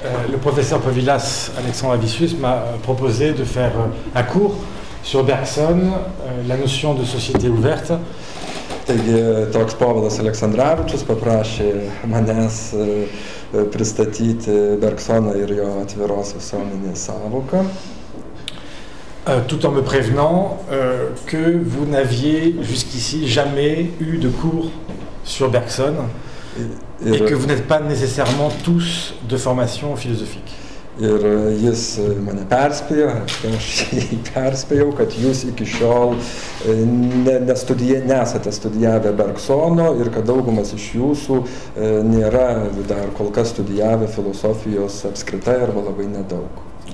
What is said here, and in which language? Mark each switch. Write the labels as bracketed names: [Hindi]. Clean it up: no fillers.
[French] Le professeur Pavilas Alexandre Avicius m'a proposé de faire un cours sur Bergson, la notion de société ouverte. [Lithuanian] Taigi, toks Povilas Aleksandravičius paprašė manęs pristatyti Bergsoną ir jo atviros visuomenės sąvoką. [French] Tout en me prévenant que vous n'aviez jusqu'ici jamais eu de cours sur Bergson et que vous n'êtes pas nécessairement tous de formation philosophique. [Lithuanian] Ir jis mane perspėjo, aš jį perspėjau, kad jūs iki šiol nesate studijavę Bergsono ir kad daugumas iš jūsų nėra dar kol kas studijavę filosofijos apskritai arba labai nedaug.